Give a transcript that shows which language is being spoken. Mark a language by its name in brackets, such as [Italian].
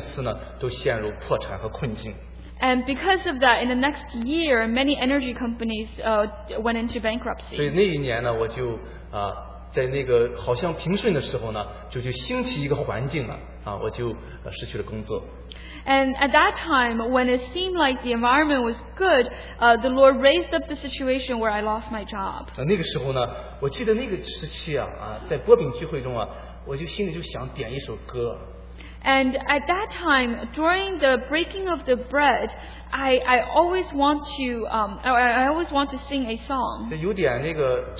[Chinese] 啊，那个呢就影响到紧接着一年之内呢，有很多的这种能源公司呢都陷入破产和困境。 [English] And because of that, in the next year, many energy companies went into bankruptcy. [Chinese] 所以那一年呢，我就在那个好像平顺的时候呢，就兴起一个环境啊，我就失去了工作。 [English] And at that time, when it seemed like the environment was good, the Lord raised up the situation where I lost my job. [Chinese] 那个时候呢，我记得那个时期啊，在薄饼聚会中啊，我就心里就想点一首歌。 [English] And at that time, during the breaking of the bread, I always want to sing a song.